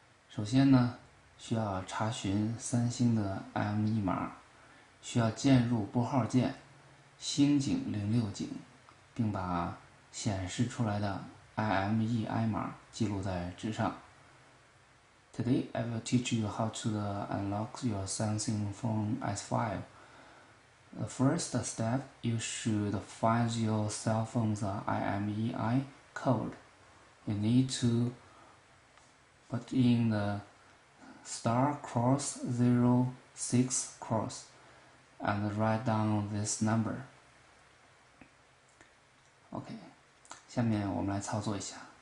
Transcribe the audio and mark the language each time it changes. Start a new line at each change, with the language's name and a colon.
Chinese: 首先呢，需要查询三星的 IM 密码，需要键入拨号键星井零六井，并把显示出来的 IME 码记录在纸上。
English: Today, I will teach you how to unlock your Samsung phone S5. The first step, you should find your cell phone's IMEI code. You need to put in the star cross 06 cross and write down this number.
Chinese: OK, 下面我们来操作一下。